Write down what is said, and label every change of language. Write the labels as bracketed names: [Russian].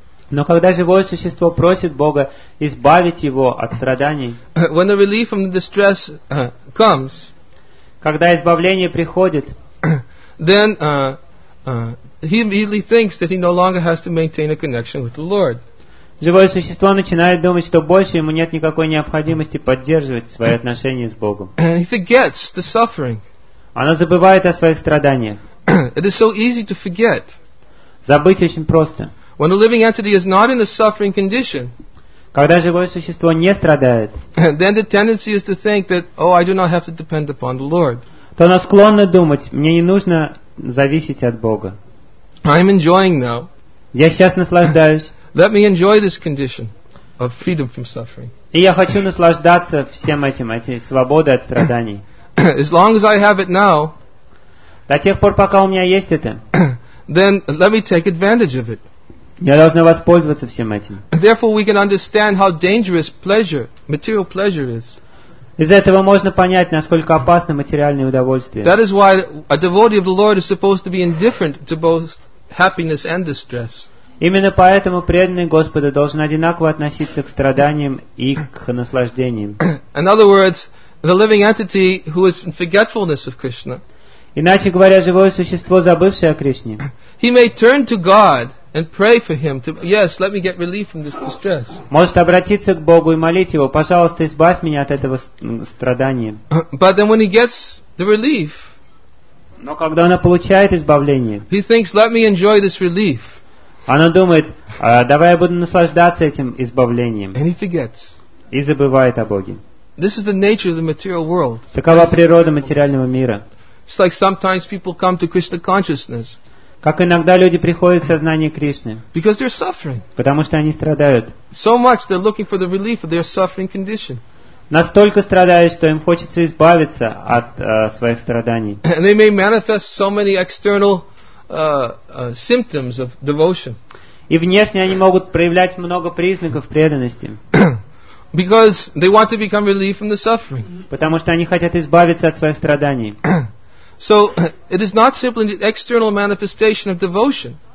[Russian] Но когда живое существо просит Бога избавить его от страданий, [English] when the relief from the distress comes, [Russian] когда избавление приходит, [English] then he immediately thinks that he no longer has to maintain a connection with the Lord. [Russian] Живое существо начинает думать, что больше ему нет никакой необходимости поддерживать свои отношения с Богом. [English] And he forgets the suffering. [Russian] Оно забывает о своих страданиях. [English] It is so easy to forget. [Russian] Забыть очень просто. [English] When a living entity is not in a suffering condition, [Russian] когда живое существо не страдает, [English] then the tendency is to think that, oh, I do not have to depend upon the Lord. [Russian] То оно склонно думать, мне не нужно зависеть от Бога. [English] I'm enjoying now. [Russian] Я сейчас наслаждаюсь. [English] Let me enjoy this condition of freedom from suffering. [Russian] И я хочу наслаждаться всем этим, этой свободой от страданий. [English] As long as I have it now, [Russian] до тех пор, пока у меня есть это, [English] then let me take advantage of it. [Russian] Я должен воспользоваться всем этим. [English] Therefore, we can understand how dangerous pleasure, material pleasure is. [Russian] Из этого можно понять, насколько опасно материальное удовольствие. [English] That is why a devotee of the Lord is supposed to be indifferent to both happiness and distress. [Russian] Именно поэтому преданный Господу должен одинаково относиться к страданиям и к наслаждениям. [English] In other words, the living entity who is in forgetfulness of Krishna. [Russian] Иначе говоря, живое существо, забывшее о Кришне. [English] He may turn to God and pray for him to, yes, let me get relief from this distress. [Russian] Может обратиться к Богу и молить его, пожалуйста, избавь меня от этого страдания. [English] But then when he gets the relief, [Russian] но когда он получает избавление, [English] he thinks, let me enjoy this relief. [Russian] Она думает, давай я буду наслаждаться этим избавлением. [English] And he forgets. [Russian] И забывает о Боге. [English] This is the nature of the material world. [Russian] Такова природа материального мира. [English] It's like sometimes people come to Krishna consciousness. [Russian] Как иногда люди приходят в сознание Кришны. [English] Because they're suffering. [Russian] Потому что они страдают. [English] So much they're looking for the relief of their suffering condition. [Russian] Настолько страдают, что им хочется избавиться от своих страданий. [English] And they may manifest so many external symptoms of devotion. [Russian] И внешне они могут проявлять много признаков преданности. [English] Because they want to become relieved from the suffering. [Russian] Потому что они хотят избавиться от своих страданий. [English] So it is not simply an external manifestation of devotion.